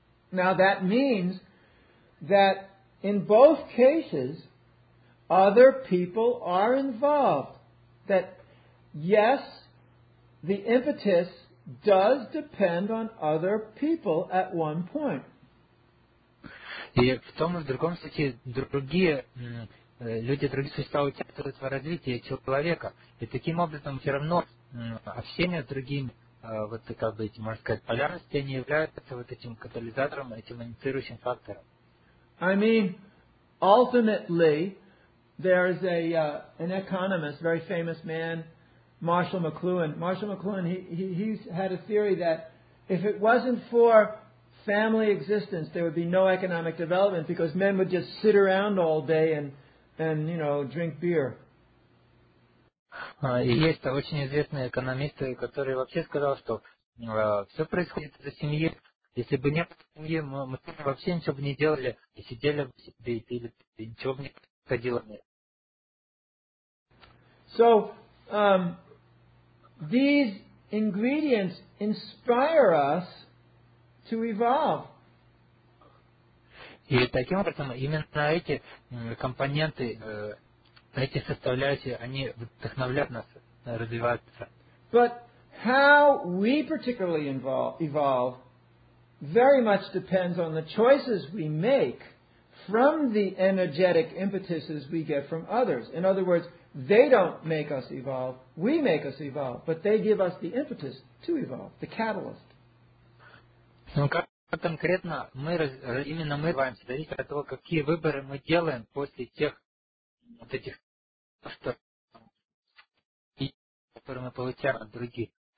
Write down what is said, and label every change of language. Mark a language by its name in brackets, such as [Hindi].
[English] Now that means that in both cases, other people are involved. That yes, the impetus does depend on other people at one point. [Russian] И в том и в другом случае другие люди, другие существа участвуют в развитии человека. И таким образом все равно общение с другими. Вот как бы эти, можно сказать, полярности, они являются вот этим катализатором, этим инициирующим фактором. [English] I mean, ultimately, there is an economist, very famous man, Marshall McLuhan. Marshall McLuhan, he's had a theory that if it wasn't for family existence, there would be no economic development because men would just sit around all day and you know, drink beer. [Russian] И есть очень известные экономисты, которые вообще сказал, что все происходит из-за семьи. Если бы не было семьи, мы вообще ничего бы не делали, и сидели бы себе, и ничего бы не происходило. [English] So, these ingredients inspire us to evolve. [Russian] И таким образом, именно эти компоненты эти составляющие, они вдохновляют нас развиваться. [English] But how we particularly evolve very much depends on the choices we make from the energetic impetuses we get from others. In other words, they don't make us evolve, we make us evolve, but they give us the impetus to evolve, the catalyst. [Russian] Ну, как конкретно мы именно мы развиваемся, зависит от того, какие выборы мы делаем после тех вот этих, которые мы получаем от других.